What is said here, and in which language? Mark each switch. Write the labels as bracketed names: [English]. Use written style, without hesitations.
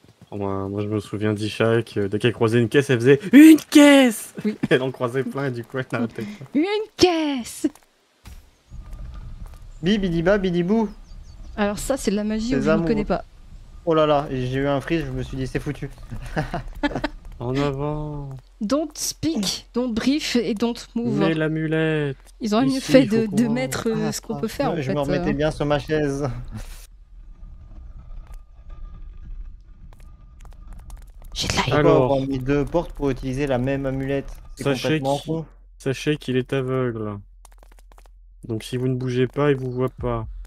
[French] Oh, moi, je me souviens d'Isha, que dès qu'elle croisait une caisse, elle faisait « Une caisse !» Oui. Elle en croisait plein et du coup, elle n'arrêtait pas. Une caisse. Bibidiba, bidibou. Alors ça, c'est de la magie où je ne connais pas. Oh là là, j'ai eu un freeze, je me suis dit « C'est foutu !» En avant. [English] Don't speak, don't brief et don't move. [French] Mets l'amulette. Ils ont mieux fait de mettre ce qu'on peut faire. Je me remettais bien sur ma chaise. J'ai de la Alors, on a mis deux portes pour utiliser la même amulette. Sachez qu'il est aveugle. Donc si vous ne bougez pas, il vous voit pas.